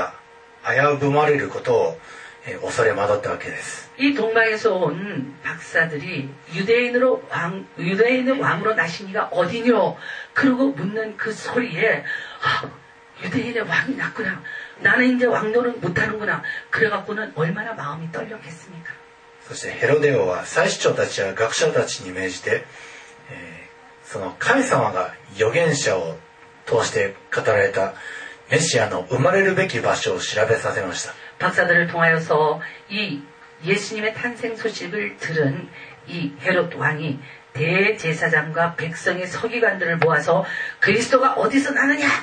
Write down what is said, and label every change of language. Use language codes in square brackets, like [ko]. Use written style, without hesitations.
[ja] このヘロデオとまたその側近たちはユダヤ人の王がお生まれになったということを聞いて、まず自分たちのその地位が危ぶまれることを 恐れ惑ったわけです. [ko] 이 동방에서 온 박사들이 유대인으로 왕, 유대인의 왕으로 나시니가 어디뇨? 그러고 묻는 그 소리에, 아, 유대인의 왕이 났구나. 나는 이제 왕노릇 못하는구나. 그래갖고는 얼마나 마음이 떨렸겠습니까? 그래서 헤로데오와 사시초 [ja] たちや 学者たちに命じて、その神様が預言者を通して語られた 메시아の生まれるべき場所を調べさせました. [ko] 박사들을 통하여서 이 예수님의 탄생 소식을 들은 이 헤롯 왕이 대제사장과 백성의 서기관들을 모아서 그리스도가 어디서 나느냐?